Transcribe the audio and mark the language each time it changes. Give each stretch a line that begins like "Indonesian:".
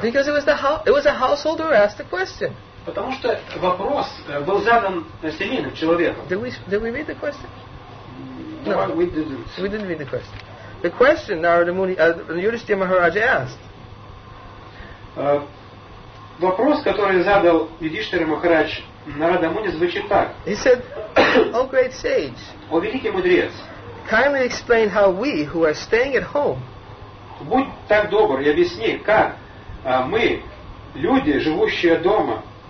English: Because it was a householder who asked the question.
Russian: Потому что вопрос был задан семейным человеком.
English: Did we read the question? No, we didn't. We didn't read the question. The question Narada Muni, Yudhishthira Maharaj asked.
Russian: Вопрос, который задал Юдиштхира Махарадж Нарада Муни, звучит так.
English: He said, "O great sage,
Russian: о великий мудрец,
English: kindly explain how we who are staying at home,
Russian: будь так добр и объясни, как мы, люди, живущие дома,